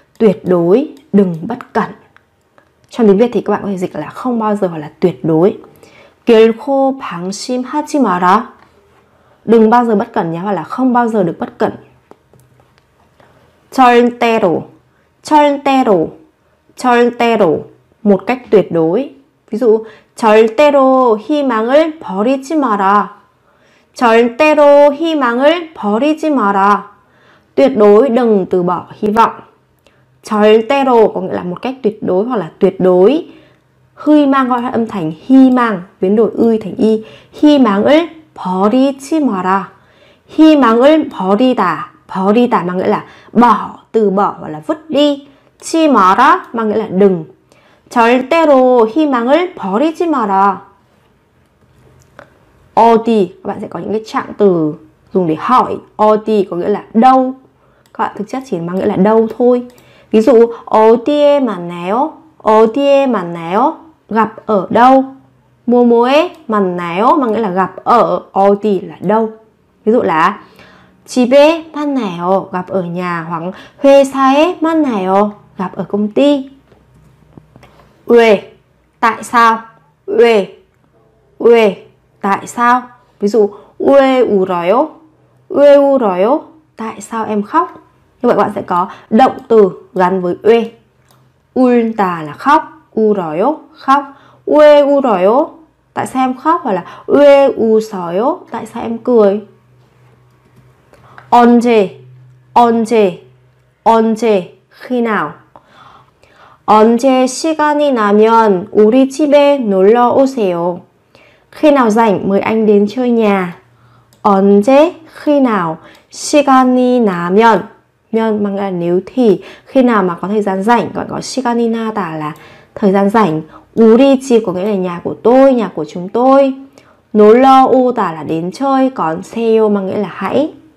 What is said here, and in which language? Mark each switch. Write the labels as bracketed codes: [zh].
[vi] Tuyệt đối đừng bất cẩn. Trong tiếng Việt thì các bạn có thể dịch là không bao giờ hoặc là tuyệt đối. Kiểu khô bằng xin ha chi mà ra. Đừng bao giờ bất cẩn nhé. Hoặc là không bao giờ được bất cẩn. [ko] 절대로, 절대로, 절대로, [vi] một cách tuyệt đối. Ví dụ, [ko] 절대로 희망을 버리지 마라. 절대로 희망을 버리지 마라. [vi] Tuyệt đối đừng từ bỏ hy vọng. 절대로 có nghĩa là một cách tuyệt đối hoặc là tuyệt đối. 희망 gọi là âm thành 희망, biến đổi 의 thành 이. [ko] 희망을 버리지 마라. 희망을 버리다. [vi] 버리다 mà nghĩa là bỏ, từ bỏ hoặc là vứt đi. 치마라 mà nghĩa là đừng. [ko] 절대로 희망을 버리지 마라. [vi] 어디, các bạn sẽ có những cái trạng từ dùng để hỏi. 어디 có nghĩa là đâu. Các bạn thực chất chỉ mang nghĩa là đâu thôi. Ví dụ [ko] 어디에 만나요? 어디에 만나요? [vi] Gặp ở đâu? [ko] 뭐뭐에 만나요? [vi] Mà nghĩa là gặp ở. 어디 là đâu. Ví dụ là [ko] 집에 만나요, [vi] gặp ở nhà. Hoặc [ko] 회사에 만나요, [vi] gặp ở công ty. 왜, tại sao? 왜, 왜, tại sao? Ví dụ [ko] 왜 울어요? 왜 울어요? [vi] Tại sao em khóc? Như vậy các bạn sẽ có động từ gắn với 왜. 울다 là khóc, 울어요, khóc. [ko] 왜 울어요? [vi] Tại sao em khóc? Hoặc là [ko] 왜 웃어요? [vi] Tại sao em cười? [ko] 언제, 언제, 언제, [vi] khi nào? [ko] 언제 시간이 나면 우리 집에 놀러 오세요. [vi] Khi nào rảnh mời anh đến chơi nhà. 언제, khi nào, [ko] 시간이 나면, [vi] 면 mà nghĩa là nếu thì, khi nào mà có thời gian rảnh, còn có [ko] 시간이 나다 [vi] là thời gian rảnh. 우리 집 có nghĩa là nhà của tôi, nhà của chúng tôi. 놀러 오다 là đến chơi, còn 세요 mà nghĩa là hãy.